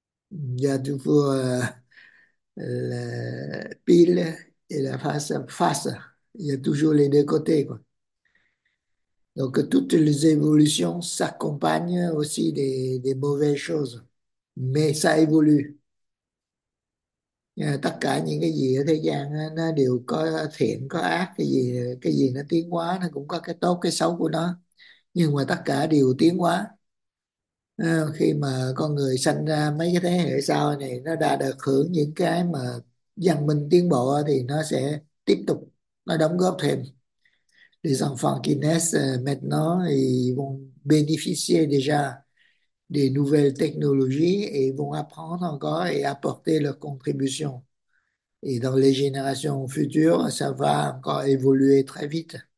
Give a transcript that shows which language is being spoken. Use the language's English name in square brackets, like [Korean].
[French] Il y a toujours la pile et la face. Il y a toujours les deux côtés, quoi. Donc toutes les évolutions s'accompagnent aussi des mauvaises choses. Mais ça évolue. [Vietnamese] Tất cả những cái gì ở thế gian nó đều có thiện, có ác. Cái gì nó tiến hóa, nó cũng có cái tốt, cái xấu của nó. Nhưng mà tất cả đều tiến hóa. Khi mà con người sanh ra mấy cái thế hệ sau này, nó đã được hưởng những cái mà văn minh tiến bộ, thì nó sẽ tiếp tục, nó đóng góp thêm. [French] Les enfants qui naissent maintenant, ils vont bénéficier déjà des nouvelles technologies et vont apprendre encore et apporter leur contribution. Et dans les générations futures, ça va encore évoluer très vite.